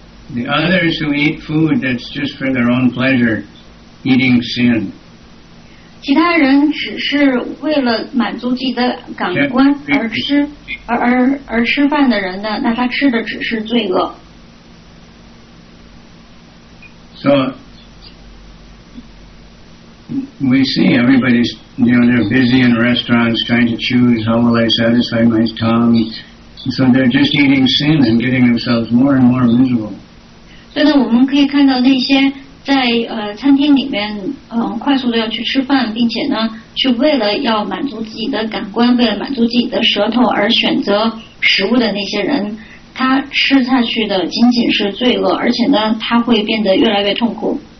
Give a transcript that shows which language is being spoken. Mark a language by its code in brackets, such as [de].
[en] The others who eat food that's just for their own pleasure, eating sin. [zh] 其他人只是为了满足自己的感官而吃饭的人呢，那他吃的只是罪恶。 [en] So we see everybody's, you know, they're busy in restaurants trying to choose how will I satisfy my tongue. So they're just eating sin and getting themselves more and more miserable. [zh] 所以呢，我们可以看到那些在餐厅里面，快速的要去吃饭，并且呢，去为了要满足自己的感官，为了满足自己的舌头而选择食物的那些人，他吃下去的仅仅是罪恶，而且呢，他会变得越来越痛苦。